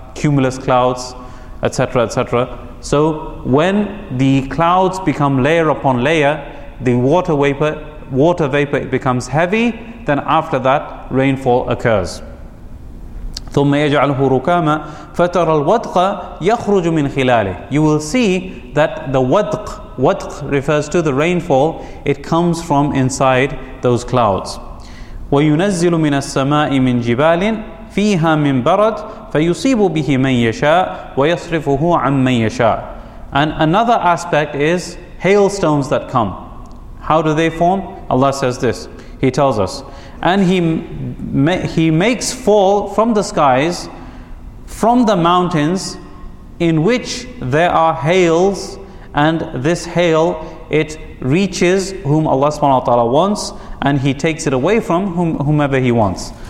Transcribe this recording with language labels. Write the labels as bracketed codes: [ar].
[en] Cumulus clouds, etc., etc. So when the clouds become layer upon layer, the water vapor becomes heavy, then after that rainfall occurs. [ar] ثُمَّ يَجْعَلْهُ رُكَامًا فَتَرَى الْوَدْقَ يَخْرُجُ مِنْ خِلَالِهِ [en] You will see that the wadq refers to the rainfall, it comes from inside those clouds. [ar] وَيُنَزِّلُ مِنَ السَّمَاءِ مِنْ جِبَالٍ فِيهَا مِنْ بَرَدٍ فَيُصِيبُ بِهِ مَنْ يَشَاءُ وَيَصْرِفُهُ عَنْ مَنْ يَشَاءُ [en] And another aspect is hailstones that come. How do they form? Allah says this. He tells us. And he makes fall from the skies, from the mountains, in which there are hails, and this hail, it reaches whom Allah subhanahu wa ta'ala wants, and He takes it away from whomever He wants.